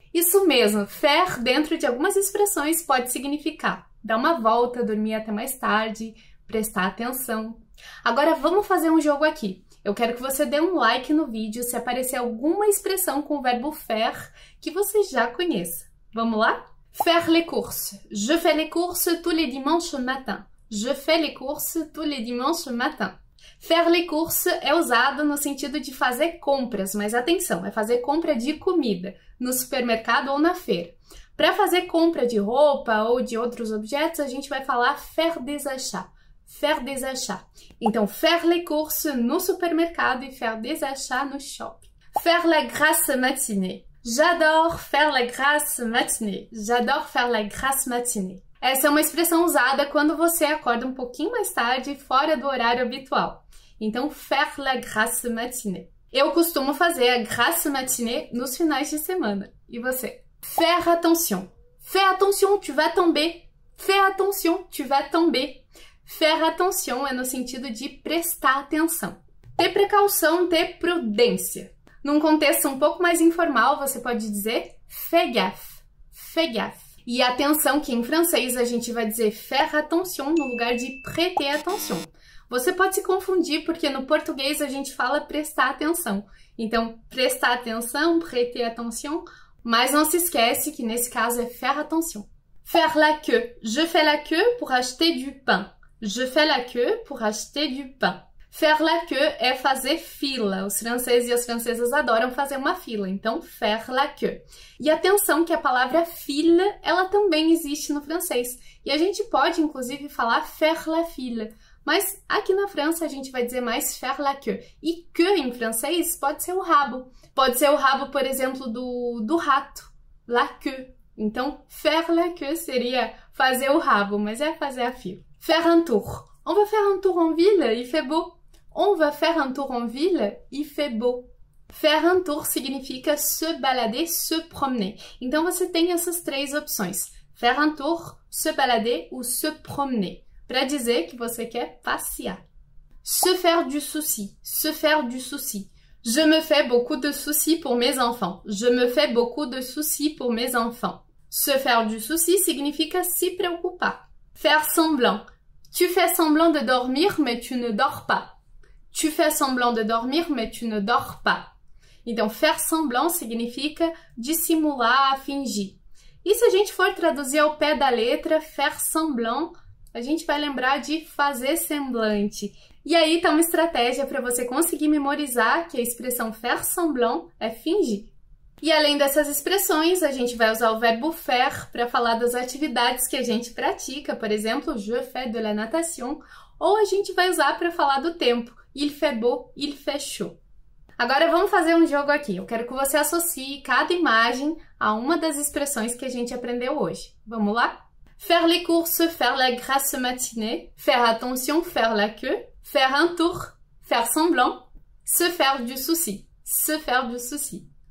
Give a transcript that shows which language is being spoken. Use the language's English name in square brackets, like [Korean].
[Portuguese] Isso mesmo, faire dentro de algumas expressões pode significar dar uma volta, dormir até mais tarde, prestar atenção. Agora, vamos fazer um jogo aqui. Eu quero que você dê um like no vídeo se aparecer alguma expressão com o verbo faire que você já conheça. Vamos lá? Faire les courses. [French] Je fais les courses tous les dimanches matin. Je fais les courses tous les dimanches matin. [Portuguese] Faire les courses é usado no sentido de fazer compras, mas atenção, é fazer compra de comida no supermercado ou na feira. Para fazer compra de roupa ou de outros objetos, a gente vai falar faire des achats. Faire des achats. Então, faire les courses no supermercado e faire des achats no shopping. [French] Faire la grasse matinée. J'adore faire la grasse matinée. J'adore faire la grasse matinée. [Portuguese] Essa é uma expressão usada quando você acorda um pouquinho mais tarde, fora do horário habitual. Então, faire la grasse matinée. Eu costumo fazer a grasse matinée nos finais de semana. E você? [French] Faire attention. Fais attention, tu vas tomber. Fais attention, tu vas tomber. [Portuguese] Faire attention é no sentido de prestar atenção. Ter precaução, ter prudência. Num contexto um pouco mais informal, você pode dizer fais gaffe. Fais gaffe. E atenção, que em francês a gente vai dizer faire attention no lugar de prêter attention. Você pode se confundir porque no português a gente fala prestar atenção. Então, prestar atenção, prêter attention, mas não se esquece que nesse caso é faire attention. [French] Faire la queue. Je fais la queue pour acheter du pain. Je fais la queue pour acheter du pain. [Portuguese] Faire la queue é fazer fila. Os franceses e as francesas adoram fazer uma fila, então faire la queue. E atenção que a palavra file, ela também existe no francês. E a gente pode, inclusive, falar faire la file. Mas aqui na França a gente vai dizer mais faire la queue. E queue em francês pode ser o rabo. Pode ser o rabo, por exemplo, do rato. La queue. Então faire la queue seria fazer o rabo, mas é fazer a fila. [French] Faire un tour. On va faire un tour en ville, il fait beau. On va faire un tour en ville, il fait beau. [Portuguese] Faire un tour significa se balader, se promener. Então você tem essas três opções: faire un tour, se balader ou se promener, para dizer que você quer passear. [French] Se faire du souci, se faire du souci. Je me fais beaucoup de soucis pour mes enfants. Je me fais beaucoup de soucis pour mes enfants. Se faire du souci [Portuguese] significa se preocupar. [French] Faire semblant. Tu fais semblant de dormir, mais tu ne dors pas. Tu fais semblant de dormir, mais tu ne dors pas. [Portuguese] Então, faire semblant significa dissimular, fingir. E se a gente for traduzir ao pé da letra, faire semblant, a gente vai lembrar de fazer semblante. E aí, tá uma estratégia para você conseguir memorizar que a expressão faire semblant é fingir. E além dessas expressões, a gente vai usar o verbo faire para falar das atividades que a gente pratica, por exemplo, [French] je fais de la natation, [Portuguese] ou a gente vai usar para falar do tempo. [French] Il fait beau, il fait chaud. [Portuguese] Agora vamos fazer um jogo aqui. Eu quero que você associe cada imagem a uma das expressões que a gente aprendeu hoje. Vamos lá? [French] Faire les courses, faire la grasse matinée, faire attention, faire la queue, faire un tour, faire semblant, se faire du souci, se faire du souci.